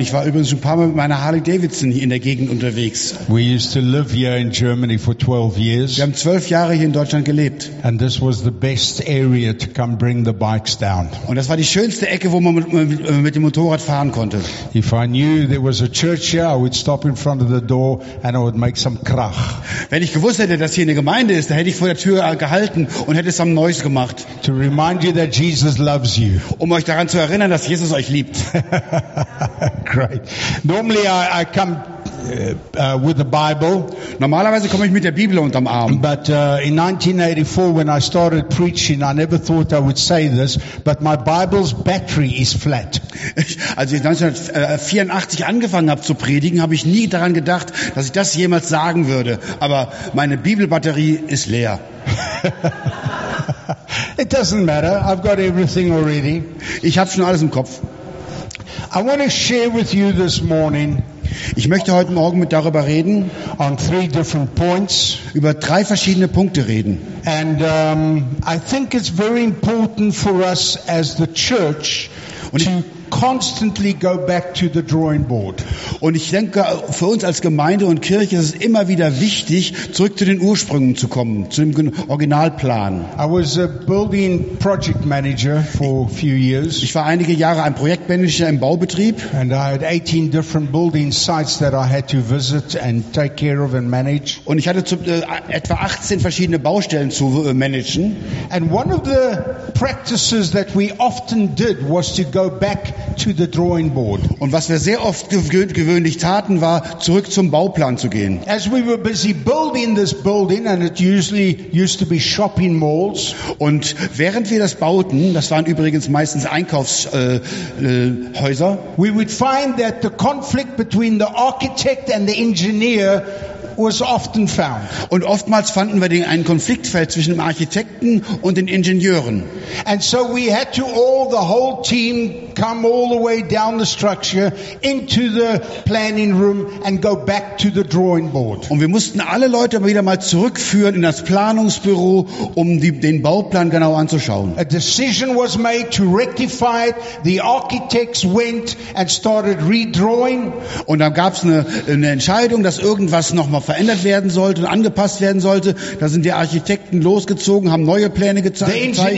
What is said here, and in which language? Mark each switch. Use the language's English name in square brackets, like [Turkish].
[German] Ich war übrigens ein paar Mal mit meiner Harley Davidson hier in der Gegend unterwegs. [English] We used to live here in Germany for 12 years. [German] Wir haben 12 Jahre hier in Deutschland gelebt. [English] And this was the best area to come bring the bikes down. [German] Und das war die schönste Ecke, wo man mit dem Motorrad fahren konnte. [English] If I knew there was a church here, I would stop in front of the door and I would make some krach. [German] Wenn ich gewusst hätte, dass hier eine Gemeinde ist, da hätte ich vor der Tür gehalten und hätte es am Neues gemacht. [English] To remind you that Jesus loves you. Um euch daran zu erinnern, dass Jesus euch liebt. Great. Normally I come with the Bible. [German] Normalerweise komme ich mit der Bibel unterm Arm. [English] But in 1984 when I started preaching, I never thought I would say this, but my Bible's battery is flat. [German] Als ich 1984 angefangen habe zu predigen, habe ich nie daran gedacht, dass ich das jemals sagen würde, aber meine Bibelbatterie ist leer. [English] It doesn't matter. I've got everything already. [German] Ich habe schon alles im Kopf. [English] I want to share with you this morning. [German] Ich möchte heute Morgen mit darüber reden. [English] On three different points. [German] Über drei verschiedene Punkte reden. [English] And I think it's very important for us as the church to constantly go back to the drawing board. [German] Und ich denke, für uns als Gemeinde und Kirche ist es immer wieder wichtig, zurück zu den Ursprüngen zu kommen, zu dem Originalplan. [English] I was a building project manager for a few years. [German] Ich war einige Jahre ein Projektmanager im Baubetrieb. [English] And I had 18 different building sites that I had to visit and take care of and manage. [German] Und ich hatte etwa 18 verschiedene Baustellen zu managen. [English] And one of the practices that we often did was to go back to the drawing board. [German] Und was wir sehr oft gewöhnlich taten, war zurück zum Bauplan zu gehen. [English] As we were busy building this building, and it usually used to be shopping malls. [German] Und während wir das bauten, das waren übrigens meistens Einkaufshäuser, [English] we would find that the conflict between the architect and the engineer was often found. [German] Und oftmals fanden wir einen Konfliktfeld zwischen dem Architekten und den Ingenieuren. [English] And so we had to all the whole team come all the way down the structure into the planning room and go back to the drawing board. [German] Und wir mussten alle Leute wieder mal zurückführen in das Planungsbüro, um den Bauplan genau anzuschauen. [English] A decision was made to rectify it. The architects went and started redrawing. [German] Und dann gab es eine Entscheidung, dass irgendwas noch mal verändert werden sollte und angepasst werden sollte. Da sind die Architekten losgezogen, haben neue Pläne gezeichnet.